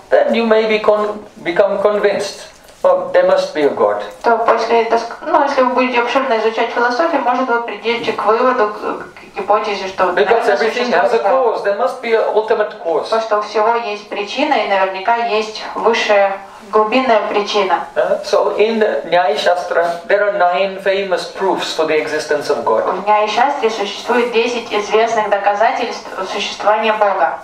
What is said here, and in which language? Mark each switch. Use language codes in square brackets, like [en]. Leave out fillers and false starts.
[en] then you may become convinced. There must be a God. [ru] То после этого, ну если вы будете обширно изучать философию, может вы придете к выводу, к гипотезе, что [en] Because everything has a cause. There must be an ultimate cause. [ru] То что у всего есть причина и наверняка есть высшая глубинная причина. [en] So in Nyayashastra there are 9 famous proofs for the existence of God. [ru] В Нияйшастре существует 10 известных доказательств существования Бога.